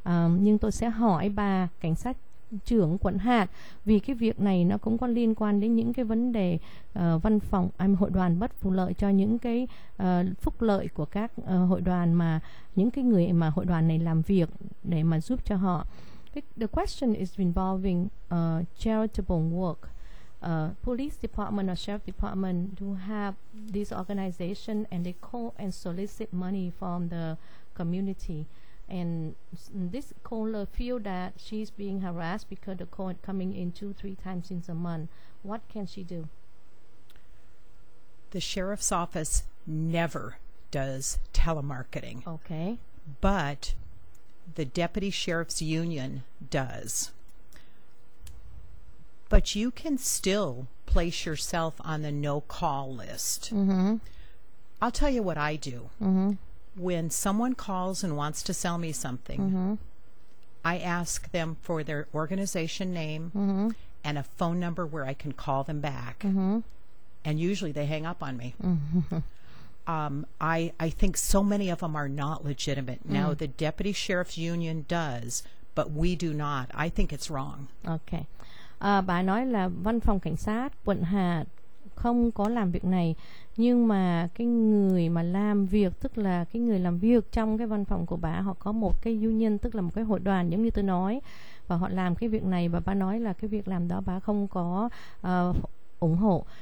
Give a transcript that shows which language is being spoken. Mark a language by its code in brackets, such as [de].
[vi] Nhưng tôi sẽ hỏi bà cảnh sát trưởng quận hạt, vì cái việc này nó cũng có liên quan đến những cái vấn đề văn phòng, hội đoàn bất phù lợi cho những cái phúc lợi của các hội đoàn, mà những cái người mà hội đoàn này làm việc để mà giúp cho họ. [en] The question is involving charitable work. Police department or sheriff department do have this organization and they call and solicit money from the community. And this caller feel that she's being harassed because the call coming in 2-3 times in a month. What can she do? The sheriff's office never does telemarketing. Okay. But the deputy sheriff's union does. But you can still place yourself on the no-call list. Mm-hmm. I'll tell you what I do. Mm-hmm. When someone calls and wants to sell me something, mm-hmm. I ask them for their organization name, mm-hmm. and a phone number where I can call them back. Mm-hmm. And usually they hang up on me. Mm-hmm. I think so many of them are not legitimate. Mm-hmm. Now, the Deputy Sheriff's Union does, but we do not. I think it's wrong. Okay. [vi] Bà nói là văn phòng cảnh sát quận hạt không có làm việc này, nhưng mà cái người mà làm việc, tức là cái người làm việc trong cái văn phòng của bà, họ có một cái union, tức là một cái hội đoàn giống như tôi nói, và họ làm cái việc này, và bà nói là cái việc làm đó bà không có ủng hộ.